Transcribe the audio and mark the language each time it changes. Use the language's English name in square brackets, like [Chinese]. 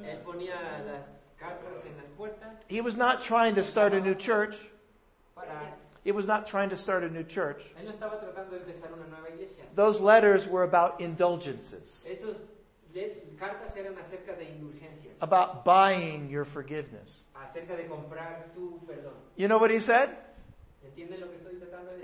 [Spanish] Él ponía las cartas en las puertas. [English] He was not trying to start a new church. [Spanish] Para. [English] He was not trying to start a new church. [Spanish] Él no estaba tratando de empezar una nueva iglesia. [English] Those letters were about indulgences. [Spanish] Esos cartas eran acerca de indulgencias. [English] About buying your forgiveness. [Spanish] Acerca de comprar tu perdón. [English] You know what he said? [Spanish] ¿Entienden lo que estoy tratando de decir?